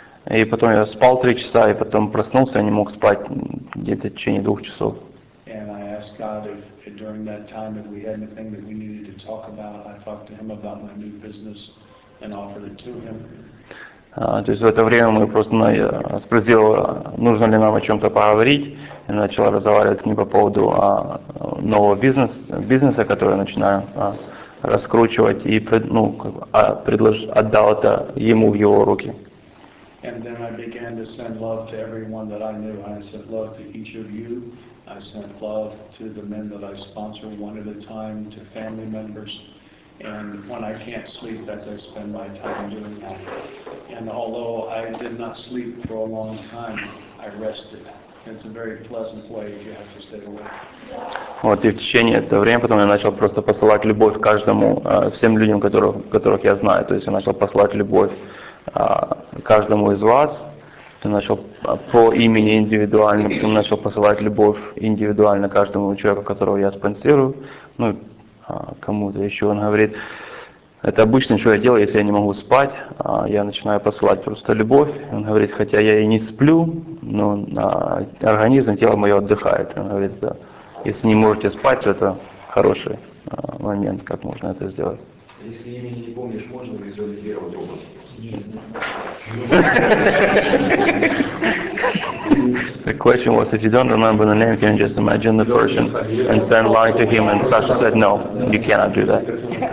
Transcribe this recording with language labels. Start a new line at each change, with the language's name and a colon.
Russian: И потом я спал 3 часа, и потом проснулся, я не мог спать где-то в течение 2 часов.
English: And I asked God if during that time if we had anything that we needed to talk about, I talked to him about my new business. And offered it to him.
Russian: То есть в это время мы просто спросил, нужно ли нам о чем-то поговорить, и начала разговаривать с ним по поводу нового бизнеса, который я начинаю раскручивать, и ну, как бы, отдал это ему в его руки.
English: And then I began to send love to everyone that I knew. I sent love to each of you. I sent love to the men that I sponsor one at a time, to family members. And when I can't sleep, that's I spend my time doing that. And although I did not sleep for a long time, I rested. It's a very pleasant way if you have to stay awake.
Russian: Вот и в течение этого времени потом я начал просто посылать любовь каждому всем людям, которых я знаю. То есть я начал посылать любовь каждому из вас. Я начал по имени индивидуально, потом начал посылать любовь индивидуально каждому человеку, которого я спонсирую. Ну, кому-то еще он говорит, это обычно, что я делаю, если я не могу спать, я начинаю посылать просто любовь. Он говорит, хотя я и не сплю, но организм, тело мое отдыхает. Он говорит, да, если не можете спать, то это хороший момент, как можно это сделать. Если имени не помнишь, можно визуализировать образ?
English: The question was, if you don't remember the name, can you just imagine the person and send light to him? And Sasha said, no, you cannot do that.